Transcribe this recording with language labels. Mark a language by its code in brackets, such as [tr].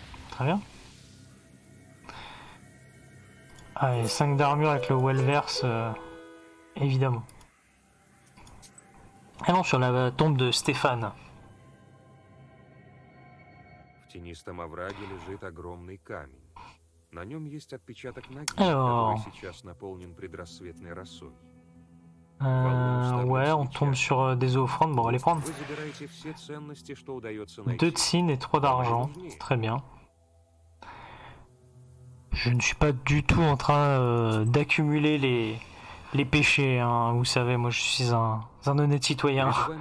[fr] Très bien. Allez, 5 d'armure avec le Wellverse, évidemment. Allons sur la tombe de Stéphane. [ru] В тенистом овраге лежит огромный камень. На нем есть отпечаток ноги, который сейчас наполнен предрассветной росой. [fr] Ouais, on tombe sur des offrandes. Bon, on va les prendre. [ru] Вы забираете все ценности, что удается найти. [fr] 2 цин et 3 d'argent. Très bien. Je ne suis pas du tout en train d'accumuler les péchés, hein. Vous savez, moi je suis un honnête citoyen.